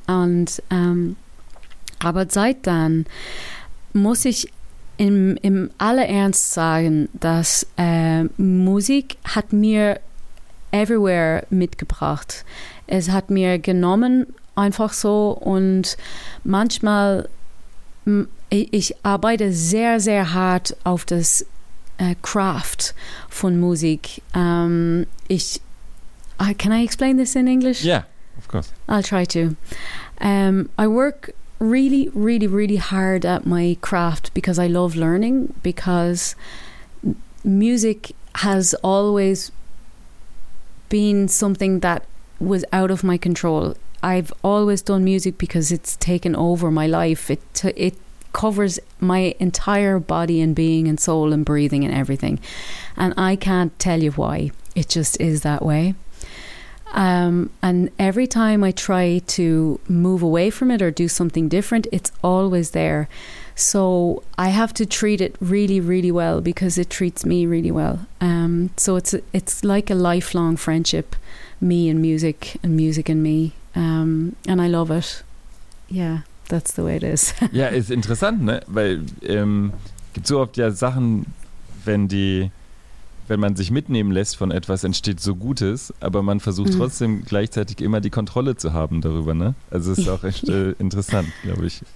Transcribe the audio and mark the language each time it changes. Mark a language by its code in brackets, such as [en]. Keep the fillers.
[de] Und ähm, aber seit dann muss ich im, im aller Ernst sagen, dass äh, Musik hat mir everywhere mitgebracht. Es hat mir genommen einfach so und manchmal ich arbeite sehr, sehr hart auf das Craft uh, von Musik. [en] Um, ich, I, can I explain this in English? Yeah, of course. I'll try to. Um, I work really, really, really hard at my craft because I love learning, because music has always been something that was out of my control. I've always done music because it's taken over my life. It it covers my entire body and being and soul and breathing and everything. And I can't tell you why. It just is that way. Um, and every time I try to move away from it or do something different, it's always there. So I have to treat it really, really well because it treats me really well. Um, so it's it's like a lifelong friendship, me and music, and music and me. Um, and I love it. Yeah. that's the way it is. [de] ja, ist interessant, ne? Weil ähm, gibt so oft ja Sachen, wenn die, wenn man sich mitnehmen lässt von etwas, entsteht so Gutes, aber man versucht mhm. trotzdem gleichzeitig immer die Kontrolle zu haben darüber, ne? Also ist auch echt äh, interessant, glaube ich.